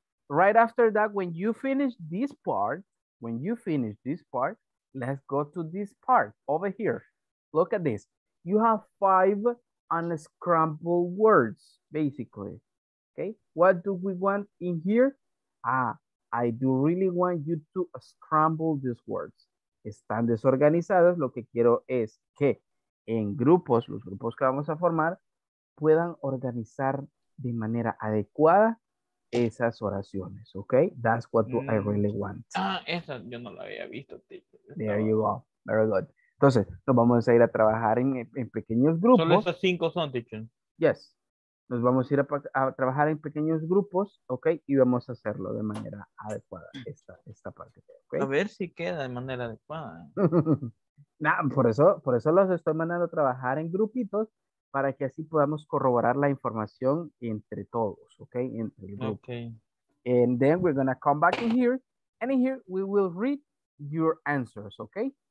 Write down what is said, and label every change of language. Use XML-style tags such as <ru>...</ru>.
<en>Right after that, when you finish this part, let's go to this part over here. Look at this. You have five unscrambled words, basically. Okay, what do we want in here? I do really want you to scramble these words.</en> <es>Están desorganizadas. Lo que quiero es que en grupos, los grupos que vamos a formar, puedan organizar de manera adecuada esas oraciones.</es> <en>Okay, that's what I really want.</en> <es>Esa yo no la había visto.</es> <en>There you go. Very good.</en> <es>Entonces, nos vamos a ir a trabajar en pequeños grupos. Solo esos cinco son, teacher.</es> <en>Yes.</en> <es>Nos vamos a ir a trabajar en pequeños grupos, ¿ok? Y vamos a hacerlo de manera adecuada, esta parte.</es> <en>¿Okay?</en> <es>A ver si queda de manera adecuada. Nah, por eso los estoy mandando a trabajar en grupitos, para que así podamos corroborar la información entre todos, ¿ok? Entre el grupo.</es> <en>Okay. And then we're going to come back in here, and in here we will read your answers, ¿ok?</en>